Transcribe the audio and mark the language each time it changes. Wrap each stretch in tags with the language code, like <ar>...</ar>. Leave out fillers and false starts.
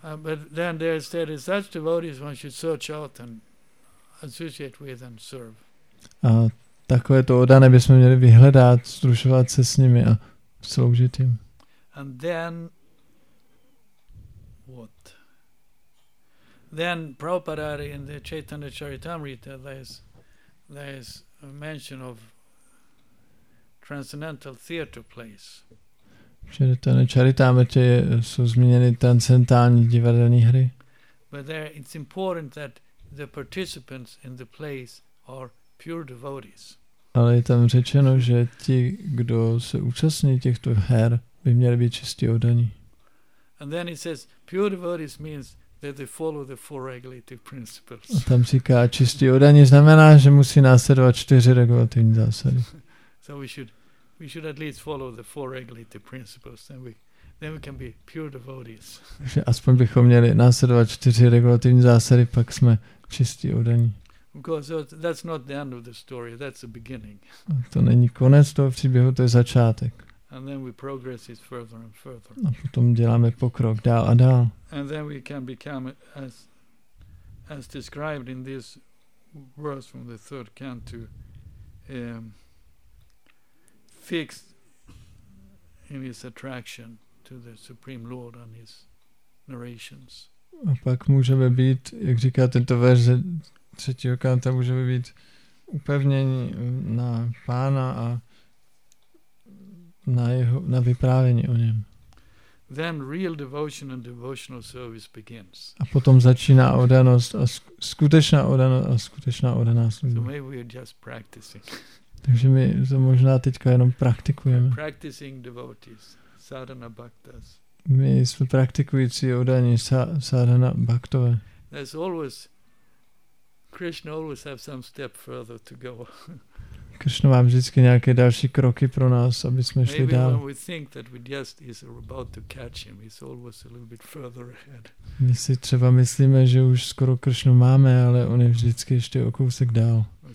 <en>But then there is that is such devotees one should search out and associate with and serve.</en> <cs>A takové to oddané bychom měli vyhledat, sdružovat se s nimi a sloužit jim.</cs> <en>And then what? Then Prabhupada in the Chaitanya Charitamrita there's a mention of transcendental theater place.</en> <cs>Chaitanya Charitamrita jsou zmíněny transcendentální divadelní hry.</cs> <en>But there it's important that the participants in the place are pure devotees.</en> <cs>Ale je tam řečeno, že ti, kdo se účastní těchto her, by měli být čistí oddaní.</cs> <en>And then it says pure devotees means that they follow the four regulative principles.</en> <cs>A tam říká čistí oddaní znamená, že musí následovat čtyři regulativní zásady.</cs> <en>So we should at least follow the four regulative principles, then we can be pure devotees.</en> <cs>Že aspoň bychom měli následovat čtyři regulativní zásady, pak jsme čistí oddaní.</cs> <en>Because that's not the end of the story, that's the beginning.</en> <cs>To není konec toho příběhu, to je začátek.</cs> <en>And then we progress it further and further.</en> <cs>A potom děláme pokrok dál a dál.</cs> <en>And then we can become as described in this verse from the third canto, fixed in his attraction to the Supreme Lord and his narrations.</en> <cs>A pak můžeme být, jak říká tento verze třetího kanta, můžeme být upevněni na pána a na jeho na vyprávění o něm.</cs> <en>Then real devotion and devotional service begins.</en> <cs>A potom začíná oddanost a skutečná oddanost a skutečná oddaná služba.</cs> <en>So maybe we're just practicing.</en> <cs>Takže my to možná teďka jenom praktikujeme.</cs> <en>We're practicing devotees, sadhana bhaktas.</en> <cs>My jsme praktikující oddaní sadhana bhaktové.</cs> <en>There's always Krishna always have some step further to go.</en> <cs>Krishna má vždycky nějaké další kroky pro nás, aby jsme šli dál.</cs> <en>We think that we just is about to catch him. He's always a little bit further ahead.</en> <cs>My si třeba myslíme, že už skoro Krishnu máme, ale on je vždycky ještě o kousek dál.</cs>